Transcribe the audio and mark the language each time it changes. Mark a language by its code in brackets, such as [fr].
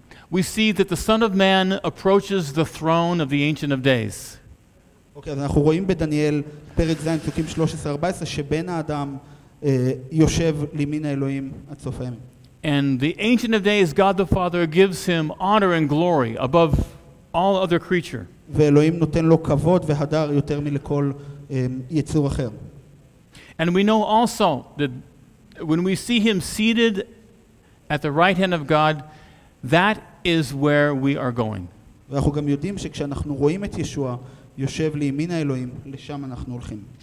[en] We see that the Son of Man approaches the throne of the Ancient of Days. [he] אוקיי, אז אנחנו רואים בדניאל פרק זין פסוקים 13-14, שבן האדם יושב למין האלוהים עד סוף הימים. [en] And the Ancient of Days, God the Father gives him honor and glory above all other creature. [he] ואלוהים נותן לו כבוד והדר יותר מלכל יצור אחר. [en] And we know also that when we see him seated at the right hand of God, that is where we are going. [he] ואנחנו גם יודעים שכשאנחנו רואים את ישוע יושב לימין האלוהים, לשם אנחנו הולכים.